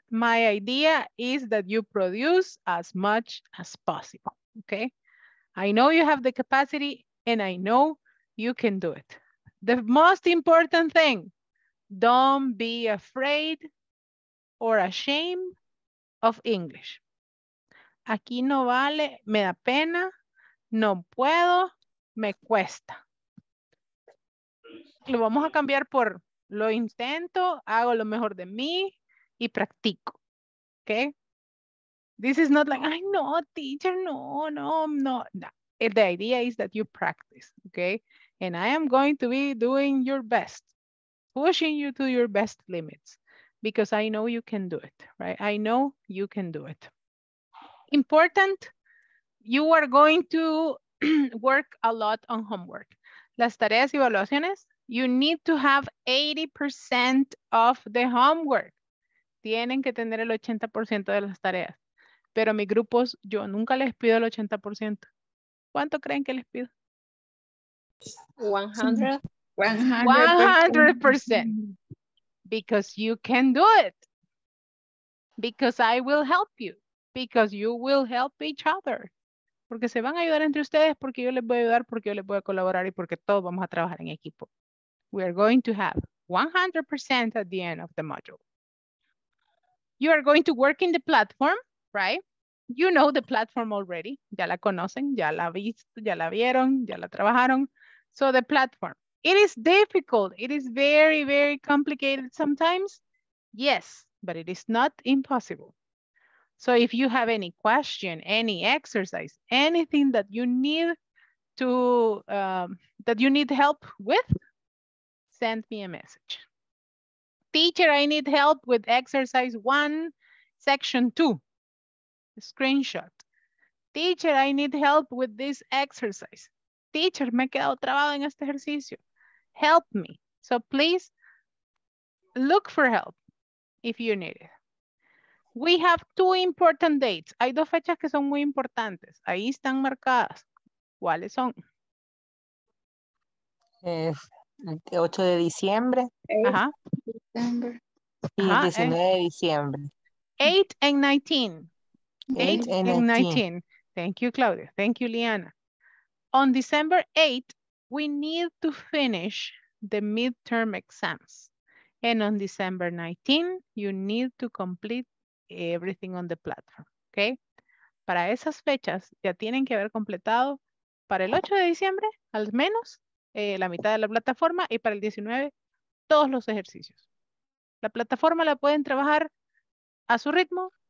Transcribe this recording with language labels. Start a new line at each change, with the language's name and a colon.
English: My idea is that you produce as much as possible, okay? I know you have the capacity and I know you can do it. The most important thing, don't be afraid or ashamed of English.
Spanish: Aquí no vale, me da pena, no puedo, me cuesta. Lo vamos a cambiar por lo intento, hago lo mejor de mí. Y practico, okay?
English: This is not like, ay, no, teacher, no. The idea is that you practice, okay? And I am going to be doing your best, pushing you to your best limits, because I know you can do it, right? I know you can do it. Important, you are going to work a lot on homework.
Spanish: Las tareas y evaluaciones,
English: you need to have 80% of the homework.
Spanish: Tienen que tener el 80% de las tareas. Pero mis grupos, yo nunca les pido el 80%. ¿Cuánto creen que les pido? 100%.
English: Because you can do it. Because I will help you. Because you will help each other. Porque se van a ayudar entre ustedes, porque yo les voy a ayudar, porque yo les voy a colaborar y porque todos vamos a trabajar en equipo. We are going to have 100% at the end of the module. You are going to work in the platform, right? You know the platform already.
Spanish: Ya la conocen, ya la visto, ya la vieron, ya la trabajaron.
English: So the platform. It is difficult. It is very, very complicated sometimes. Yes, but it is not impossible. So if you have any question, any exercise, anything that you need to that you need help with, send me a message. Teacher, I need help with exercise 1, section 2. Screenshot. Teacher, I need help with this exercise.
Spanish: Teacher, me he quedado trabado en este ejercicio.
English: Help me. So please look for help if you need it. We have 2 important dates.
Spanish: Hay 2 fechas que son muy importantes. Ahí están marcadas. ¿Cuáles son? El 8 de diciembre. Ajá. Y el 19 de diciembre.
English: 8 and 19. Thank you, Claudia. Thank you, Liana. On December 8th, we need to finish the midterm exams. And on December 19th, you need to complete everything on the platform. Okay?
Spanish: Para esas fechas, ya tienen que haber completado para el 8 de diciembre, al menos, la mitad de la plataforma, y para el 19, todos los ejercicios. ¿La plataforma la pueden trabajar a su ritmo?